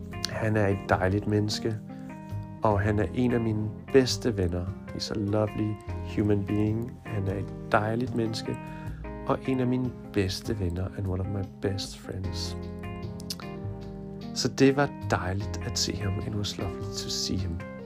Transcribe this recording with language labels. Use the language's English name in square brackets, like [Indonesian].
[Danish] Han er et dejligt menneske, og han er en af mine bedste venner. [English] He's a lovely human being. [Danish] Han er et dejligt menneske, og en af mine bedste venner, [English] and one of my best friends. [Danish] Så det var dejligt at se ham, [English] and it was lovely to see him.